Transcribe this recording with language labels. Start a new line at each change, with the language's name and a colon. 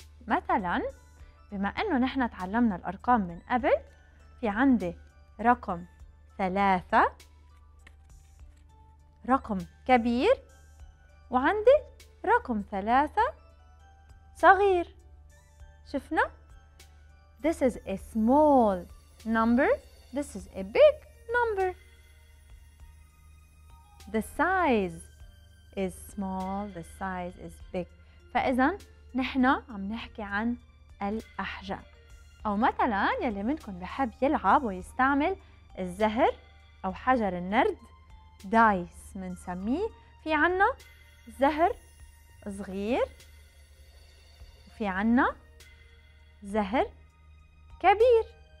Arabic: مثلا بما أنه نحن تعلمنا الأرقام من قبل، في عندي رقم 3، رقم كبير، وعندي رقم 3 صغير. شفنا؟
English: This is a small number, this is a big number. The size is small, the size is big.
Arabic: فإذا نحن عم نحكي عن الأحجام. أو مثلا يلي منكم بحب يلعب ويستعمل الزهر أو حجر النرد، دايس منسميه، في عنا زهر صغير وفي عنا زهر كبير.